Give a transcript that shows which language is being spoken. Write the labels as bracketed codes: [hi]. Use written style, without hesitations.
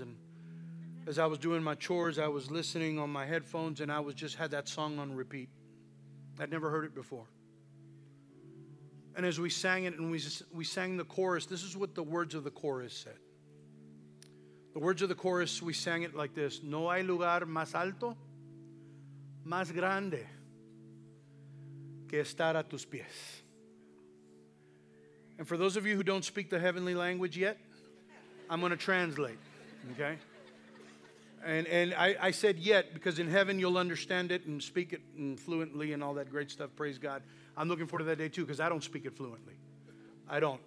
[en] And as I was doing my chores, I was listening on my headphones, and I was just had that song on repeat. I'd never heard it before. And as we sang it, and we sang the chorus, this is what the words of the chorus said. The words of the chorus, we sang it like this. [es] No hay lugar más alto, más grande, que estar a tus pies. [en] And for those of you who don't speak the heavenly language yet, I'm going to translate, okay? And I said yet, because in heaven you'll understand it and speak it and fluently and all that great stuff, praise God. I'm looking forward to that day too, because I don't speak it fluently. I don't.